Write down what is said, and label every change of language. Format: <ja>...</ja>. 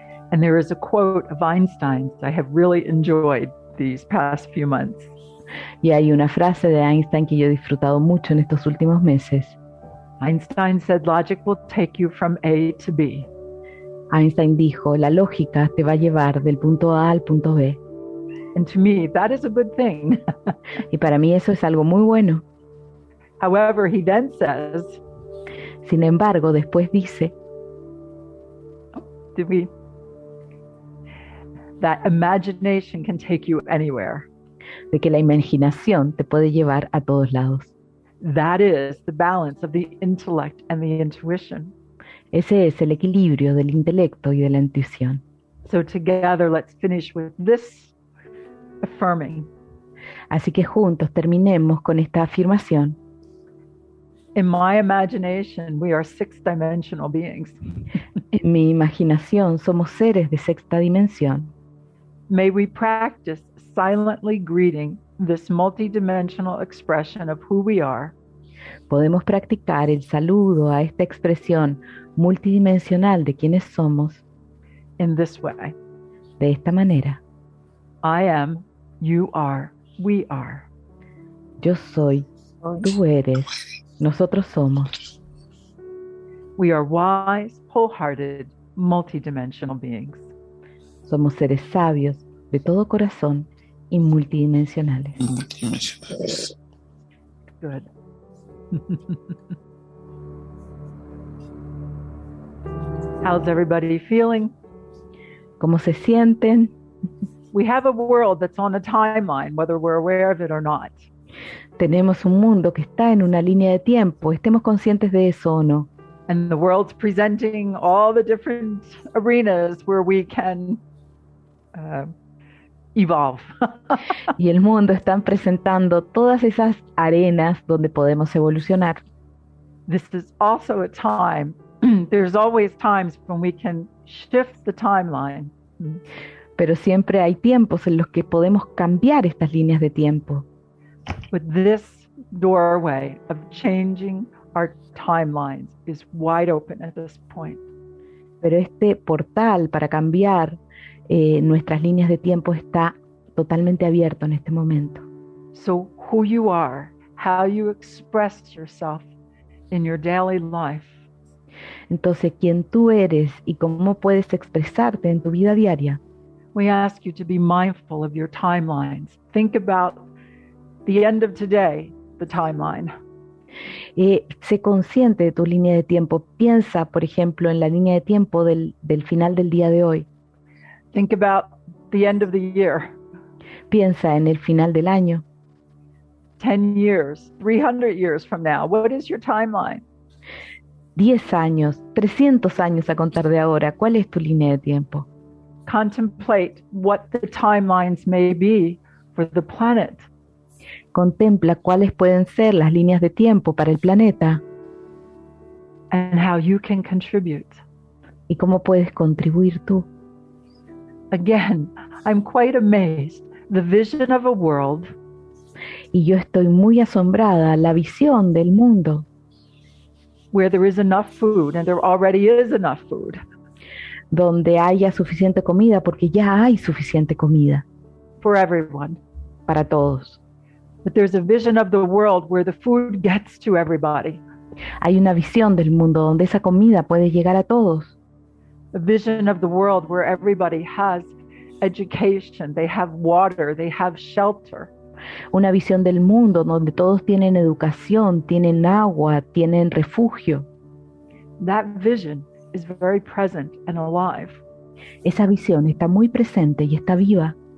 <en>And there is a quote of Einstein's I have really enjoyed these past few months.</en> <es>Y hay una frase de Einstein que yo he disfrutado mucho en estos últimos meses.</es> <en>Einstein said, logic will take you from A to B.</en> <es>Einstein dijo, la lógica te va a llevar del punto A al punto B.</es> <en>And to me, that is a good thing.</en> <es>Y para mí eso es algo muy bueno.</es> <en>However, he then says,</en> <es>sin embargo, después dice,</es> <en>that imagination can take you anywhere.</en> <es>De que la imaginación te puede llevar a todos lados.</es> <en>That is the balance of the intellect and the intuition.</en> <es>Ese es el equilibrio del intelecto y de la intuición.</es> <en>So together, let's finish with this affirming.</en> <es>Así que juntos terminemos con esta afirmación.</es> <en>In my imagination, we are six-dimensional beings.</en> <es>En mi imaginación, somos seres de sexta dimensión.</es> <en>May we practice silently greeting this multidimensional expression of who we are.</en> <es>Podemos practicar el saludo a esta expresión multidimensional de quienes somos.</es> <en>In this way.</en> <es>De esta manera.</es> <en>I am, you are, we are.</en> <es>Yo soy, tú eres, nosotros somos.</es> <en>We are wise, wholehearted, multidimensional beings.</en> <es>Somos seres sabios, de todo corazón, y multidimensionales.</es> <en>Good. How's everybody feeling?</en> <es>¿Cómo se sienten?</es> <en>We have a world that's on a timeline, whether we're aware of it or not.</en> <es>Tenemos un mundo que está en una línea de tiempo, estemos conscientes de eso o no.</es> <en>And the world's presenting all the different arenas where we can evolve.</en> <es>Y el mundo está presentando todas esas arenas donde podemos evolucionar.</es> <en>This is also a time. There's always times when we can shift the timeline.</en> <es>Pero siempre hay tiempos en los que podemos cambiar estas líneas de tiempo.</es> <en>But this doorway of changing our timelines is wide open at this point.</en> <es>Pero este portal para cambiar nuestras líneas de tiempo está totalmente abierto en este momento.</es> <en>So who you are, how you express yourself in your daily life.</en> <es>Entonces, quién tú eres y cómo puedes expresarte en tu vida diaria.</es> <en>We ask you to be mindful of your timelines. Think about the end of today, the timeline.</en> <es>Sé consciente de tu línea de tiempo. Piensa, por ejemplo, en la línea de tiempo del final del día de hoy.</es> <en>Think about the end of the year.</en> <es>Piensa en el final del año.</es> <en>10 years, 300 years from now. What is your timeline?</en> <es>10 años, 300 años a contar de ahora. ¿Cuál es tu línea de tiempo?</es> <en>Contemplate what the timelines may be for the planet.</en> <es>Contempla cuáles pueden ser las líneas de tiempo para el planeta.</es> <en>And how you can contribute.</en> <es>Y cómo puedes contribuir tú.</es> <en>Again, I'm quite amazed. The vision of a world.</en> <es>Y yo estoy muy asombrada la visión del mundo.</es> <en>Where there is enough food and there already is enough food.</en> <es>Donde haya suficiente comida porque ya hay suficiente comida.</es> <en>For everyone.</en> <es>Para todos.</es> <en>But there's a vision of the world where the food gets to everybody.</en> <es>Hay una visión del mundo donde esa comida puede llegar a todos.</es> <en>A vision of the world where everybody has education, they have water, they have shelter.</en> <es>Una visión del mundo donde todos tienen educación, tienen agua, tienen refugio.</es> <en>That vision is very present and alive.</en> <es>Esa visión está muy presente y está viva.</es>